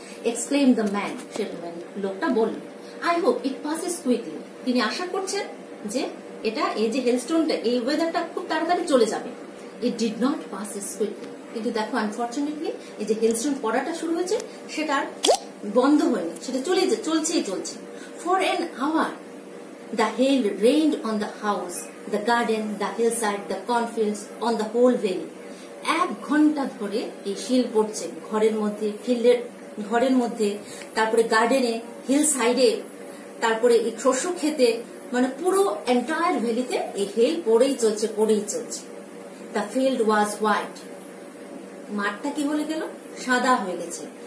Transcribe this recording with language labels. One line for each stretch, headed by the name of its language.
English: exclaim the man,
Bangla: সে মানে লোকটা বলল,
English: I hope it passes quickly,
Bangla: তিনি আশা করছেন যে এটা এই যে হেলস্টোনটা এই ওয়েদারটা খুব তাড়াতাড়ি চলে যাবে।
English: it did not passes quickly,
Bangla: কিন্তু দেখো আনফর্চুনেটলি এই যে হেলস্টোন পড়াটা শুরু হয়েছে সেটা আর বন্ধ হয়নি, সেটা চলেই চলছেই চলছে।
English: For an hour, The hail rained on the house, the garden, the hillside, the cornfields, on the whole valley.
Bangla: এক ঘন্টা ধরে এই শিল পড়ছে ঘরের মধ্যে, ফিল্ডের ঘরের মধ্যে, তারপরে গার্ডেনে, হিল সাইডে, তারপরে এই শস্য ক্ষেতে, মানে পুরো এন্টায়ার ভ্যালিতে এই হেল পড়েই চলছে, পড়েই চলছে।
English: the field was white,
Bangla: মাঠটা কি হয়ে গেল, সাদা হয়ে গেছে।